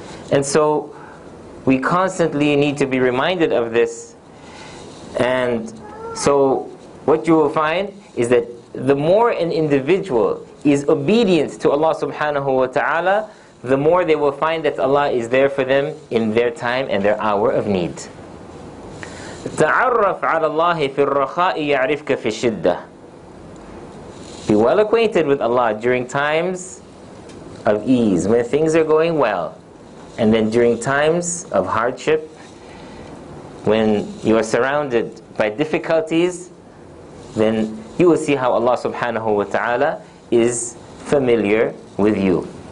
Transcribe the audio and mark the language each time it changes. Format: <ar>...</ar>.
<en>And so, we constantly need to be reminded of this. And so, what you will find is that the more an individual is obedient to Allah subhanahu wa ta'ala, the more they will find that Allah is there for them in their time and their hour of need.</en> <ar>تعرف على الله في الرخاء يعرفك في الشدة.</ar> <en>Be well acquainted with Allah during times of ease, when things are going well. And then during times of hardship, when you are surrounded by difficulties, then you will see how Allah subhanahu wa ta'ala is familiar with you.</en>